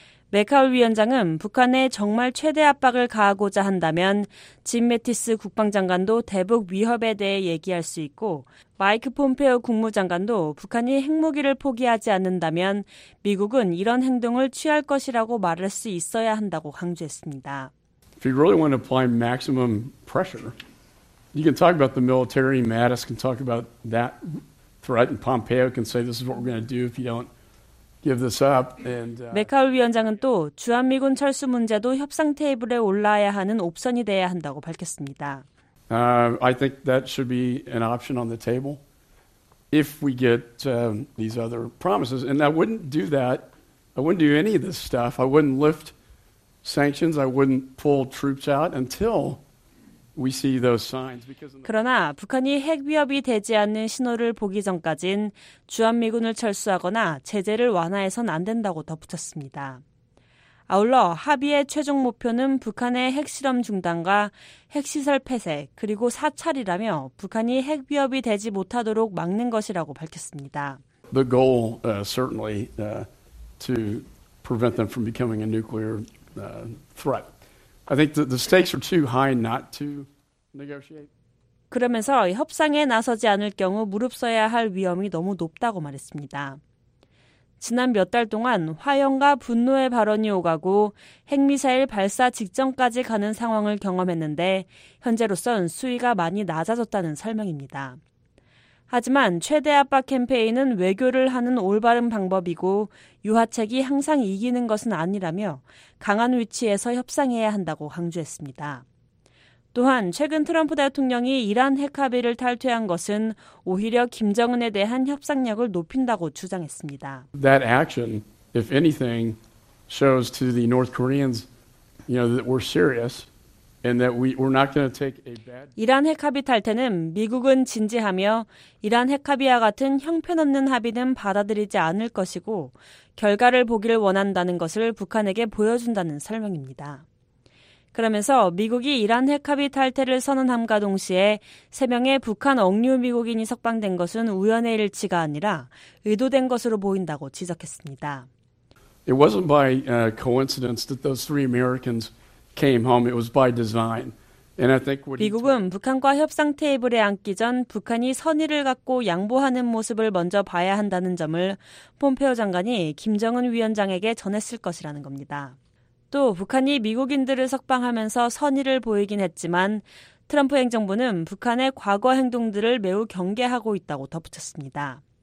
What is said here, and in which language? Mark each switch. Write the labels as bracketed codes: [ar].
[ko] 맥하울 위원장은 북한에 정말 최대 압박을 가하고자 한다면 짐 매티스 국방장관도 대북 위협에 대해 얘기할 수 있고 마이크 폼페오 국무장관도 북한이 핵무기를 포기하지 않는다면 미국은 이런 행동을 취할 것이라고 말할 수 있어야 한다고 강조했습니다. [en] If you really want to apply maximum pressure, you can talk about the military. Mattis can talk about that threat, and Pompeo can say this is what we're going to do if you don't. [ko] 맥하울 위원장은 또 주한미군 철수 문제도 협상 테이블에 올라야 하는 옵션이 돼야 한다고 밝혔습니다. [en] I think that should be an option on the table if we get these other promises. And I wouldn't do that. I wouldn't do any of this stuff. I wouldn't lift sanctions. I wouldn't pull troops out until we see those signs. [ko] 그러나 북한이 핵 위협이 되지 않는 신호를 보기 전까진 주한미군을 철수하거나 제재를 완화해선 안 된다고 덧붙였습니다. 아울러 합의의 최종 목표는 북한의 핵실험 중단과 핵시설 폐쇄 그리고 사찰이라며 북한이 핵 위협이 되지 못하도록 막는 것이라고 밝혔습니다. [en] The goal certainly to prevent them from becoming a nuclear threat. I think the stakes are too high not to negotiate. [ko] 그러면서 협상에 나서지 않을 경우 무릅서야 할 위험이 너무 높다고 말했습니다. 지난 몇 달 동안 화염과 분노의 발언이 오가고 핵미사일 발사 직전까지 가는 상황을 경험했는데 현재로선 수위가 많이 낮아졌다는 설명입니다. 하지만 최대 압박 캠페인은 외교를 하는 올바른 방법이고 유화책이 항상 이기는 것은 아니라며 강한 위치에서 협상해야 한다고 강조했습니다. 또한 최근 트럼프 대통령이 이란 핵 합의를 탈퇴한 것은 오히려 김정은에 대한 협상력을 높인다고 주장했습니다. [en] That action, if anything, shows to the North Koreans, you know, that we're serious. And that we're not going to take a bad. [ko] 이란 핵 합의 탈퇴는 미국은 진지하며 이란 핵 합의와 같은 형편없는 합의는 받아들이지 않을 것이고 결과를 보기를 원한다는 것을 북한에게 보여준다는 설명입니다. 그러면서 미국이 이란 핵 합의 탈퇴를 선언함과 동시에 세 명의 북한 억류 미국인이 석방된 것은 우연의 일치가 아니라 의도된 것으로 보인다고 지적했습니다. [en] It wasn't by coincidence that those three Americans. Came home. It was by design. And I think what [ko] 미국은 북한과 협상 테이블에 앉기 전 북한이 선의를 갖고 양보하는 모습을 먼저 봐야 한다는 점을 폼페오 장관이 김정은 위원장에게 전했을 것이라는 겁니다. 또 북한이 미국인들을 석방하면서 선의를 보이긴 했지만 트럼프 행정부는 북한의 과거 행동들을 매우 경계하고 있다고 덧붙였습니다.